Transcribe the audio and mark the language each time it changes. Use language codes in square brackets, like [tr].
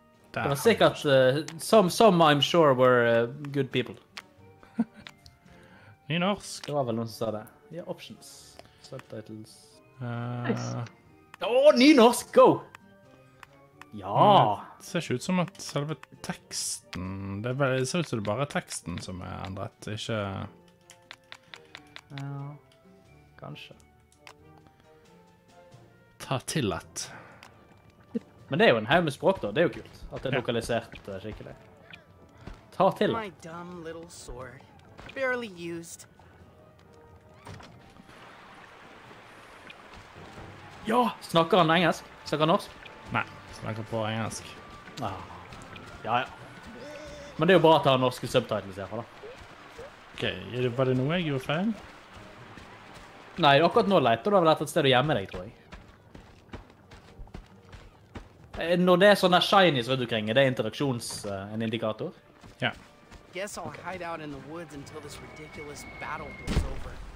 [no] Det var sikkert at [en] some I'm sure were good people. [no] Ny norsk. Det var vel noen som sa det. Ja, options. Subtitles. Nice. Åh, ny norsk, go! Ja! Det ser ikke ut som at selve teksten... Det ser ut som det bare er teksten som er endret, ikke... Ja, kanskje. Ta til et. Men det er jo en haug med språk da, det er jo kult. At det er lokalisert skikkelig. Ta til! [en] My dumb little sword. Barely used. [no] Ja! Snakker han engelsk? Snakker han norsk? Nei, snakker på engelsk. Ja. Ja, ja. Men det er jo bra at han har norske subtitles i hvert fall, da. Ok, var det noe jeg gjorde feil? Nei, akkurat nå leter du av et sted å gjemme deg, tror jeg. Når det er sånne shinies, vet du, kring, det er interaksjons, en indikator. Ja. [en] Guess I'll hide out in the woods until this ridiculous battle blows over.